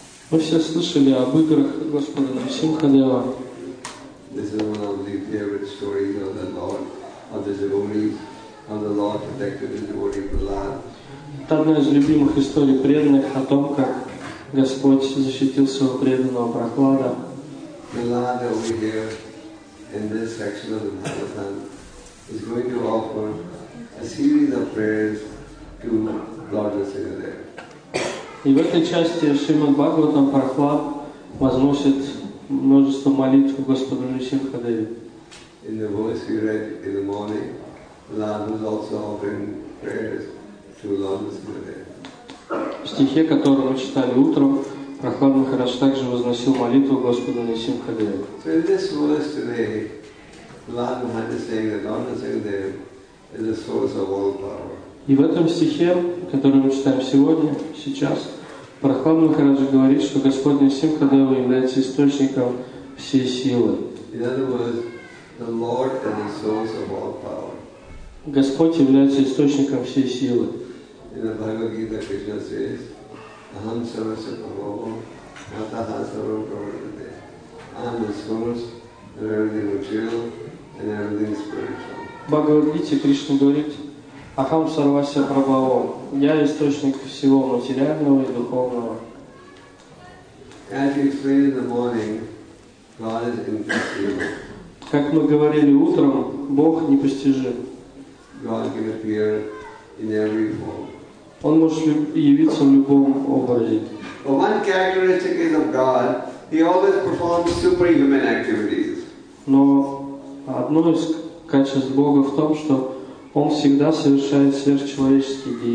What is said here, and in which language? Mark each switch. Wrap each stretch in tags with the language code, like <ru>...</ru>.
<ru>Мы все слышали об играх Господа Нарисимхадева.</ru> <en>This is one of the favorite stories of the Lord, of the devotees, of the Lord protected his devotee Prahlad.</en> <ru>Это одна из любимых историй преданных о том, как Господь защитил своего преданного Прахлада.</ru> <en>Prahlad over here in this section of the Bhagavatam is going to offer a series of prayers to Lord Nisimhadeva.</en> <ru>И в этой части Шримад Бхагаватам Прахлад возносит множество молитв Господу Нарисимхадеве.</ru> <en>In the verse we read in the morning, Prahlad was also offering prayers to Lord Nisimhadeva.</en> <ru>В стихе, который мы читали утром, Прахлад Махарадж также возносил молитву Господу Нарисимхадеве.</ru> <en>So in this verse today, Prahlad Махарадж is saying that Lord Nisimhadeva is the source of all power.</en> <ru>И в этом стихе, который мы читаем сегодня, сейчас, Прахлад Махараджа говорит, что Господь Нарисимхадева является источником всей силы.</ru> <en>In other words, the Lord is the source of all power.</en> <ru>Господь является источником всей силы.</ru> <en>In the Bhagavad-gita, Krishna says,</en> <sa>Aham sarvasya prabhava, mataha sarva prabhavate.</sa> <en>I am the source of everything material and everything spiritual.</en> <ru>Бхагавад-гите Кришна говорит,</ru> <sa>Ахам сарвасья прабаво.</sa> <ru>Я источник всего материального и духовного.</ru> <en>As we explained in the morning, God is inconceivable.</en> <ru>Как мы говорили утром, Бог непостижим.</ru> <en>God can appear in every form.</en> <ru>Он может явиться в любом образе.</ru> <en>But one characteristic is of God, He always performs superhuman activities.</en> <ru>Но одно из качеств Бога в том, что Он всегда совершает сверхчеловеческие</ru>